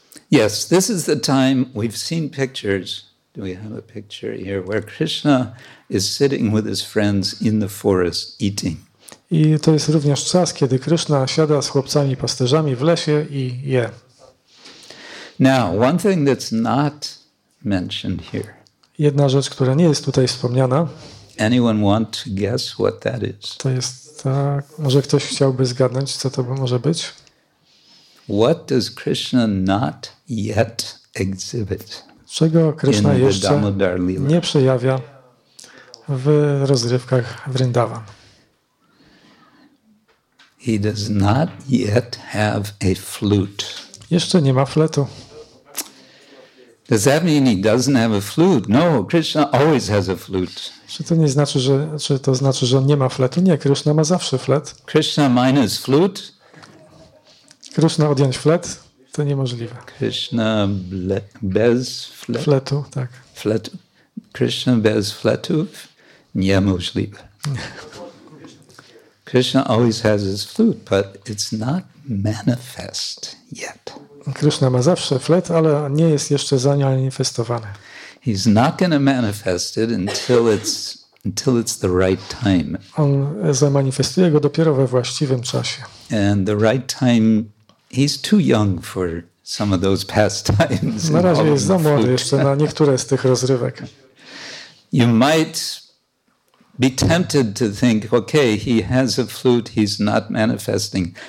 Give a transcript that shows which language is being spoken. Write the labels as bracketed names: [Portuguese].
[English] Yes, this is the time we've seen pictures. Do we have a picture here where Krishna is sitting with his friends in the forest eating? [Polish] I to jest również czas, kiedy Krishna siada z chłopcami pasterzami w lesie i je. [English] Now, one thing that's not mentioned here. [Polish] Jedna rzecz, która nie jest tutaj wspomniana. [English] Anyone want to guess what that is? [Polish] To jest tak, może ktoś chciałby zgadnąć, co to może być? [English] What does Krishna not yet exhibit? [Polish] Czego Krishna jeszcze nie przejawia w rozrywkach Vrindavan? [English] He does not yet have a flute. [Polish] Jeszcze nie ma fletu. [English] Does that mean he doesn't have a flute? No, Krishna always has a flute. [Polish] Czy to nie znaczy, że czy to znaczy, że on nie ma fletu? Nie, Krishna ma zawsze flet. [English] Krishna minus flute? [Polish] Krishna odjąć flet? To niemożliwe. Krishna bez fletu? Fletu, tak. Fletu. Krishna bez fletu? Niemożliwe. [English] Krishna always has his flute, but it's not manifest yet. [Polish] Krishna ma zawsze flet, ale nie jest jeszcze zamanifestowany. [English] He's not going to manifest it until it's the right time. [Polish] On zamanifestuje go dopiero we właściwym czasie. [English] And the right time, he's too young for some of those pastimes. [Polish] Na razie jest za młody jeszcze na niektóre z tych rozrywek. [English] You might be tempted to think, okay, he has a flute, he's not manifesting.